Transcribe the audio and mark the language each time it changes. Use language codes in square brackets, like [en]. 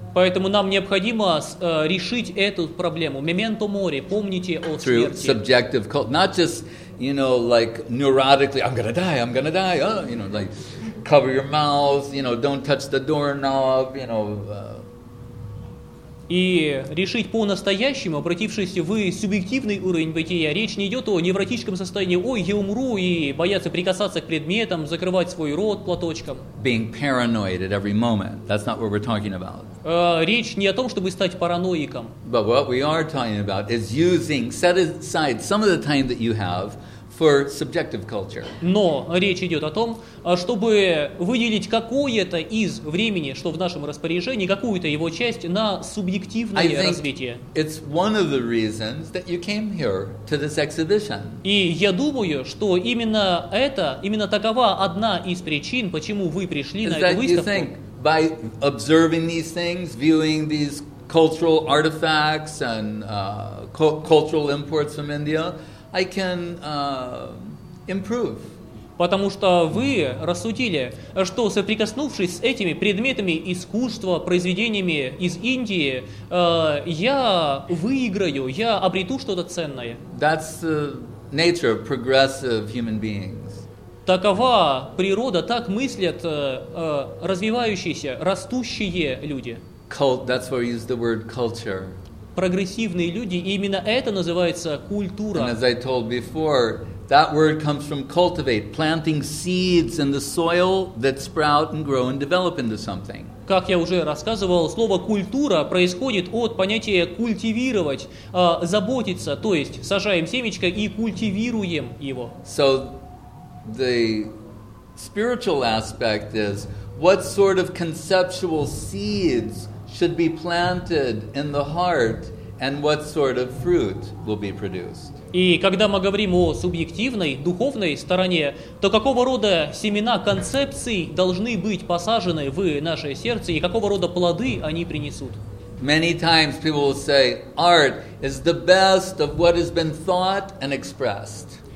[ru] Поэтому нам необходимо решить эту проблему. [la] Memento mori, [ru] помните о смерти. [en] Through subjective cult, not just, you know, like neurotically, I'm gonna die. Oh, you know, like cover your mouth, you know, don't touch the doorknob, you know, [ru] И решить по-настоящему, обратившись в субъективный уровень бытия, речь не идет о невротическом состоянии «Ой, я умру» и бояться прикасаться к предметам, закрывать свой рот платочком. [en] Being paranoid at every moment. That's not what we're talking about. [ru] Речь не о том, чтобы стать параноиком. [en] But what we are talking about is using, set aside some of the time that you have for subjective culture. [ru] Но речь идет о том, чтобы выделить какое-то из времени, что в нашем распоряжении, какую-то его часть на субъективное развитие. [en] It's one of the reasons that you came here to this exhibition. [ru] И я думаю, что именно это, именно такова одна из причин, почему вы пришли на эту выставку. [en] You think by observing these things, viewing these cultural artifacts and cultural imports from India, I can improve. [ru] Потому что вы рассудили, что соприкоснувшись с этими предметами искусства, произведениями из Индии, я выиграю, я обрету что-то ценное. [en] That's the nature of progressive human beings. [ru] Такова природа, так мыслят развивающиеся, растущие люди. [en] That's why I use the word culture. [ru] Прогрессивные люди, и именно это называется культура. [en] And as I told before, that word comes from cultivate, planting seeds in the soil that sprout and grow and develop into something. [ru] Как я уже рассказывал, слово культура происходит от понятия культивировать, заботиться, то есть сажаем семечко и культивируем его. [en] So the spiritual aspect is what sort of conceptual seeds should be planted in the heart, and what sort of fruit will be produced. [ru] И когда мы говорим о субъективной, духовной стороне, то какого рода семена концепций должны быть посажены в наше сердце, и какого рода плоды они принесут? [en] Many times people will say, art is the best of what has been thought and expressed.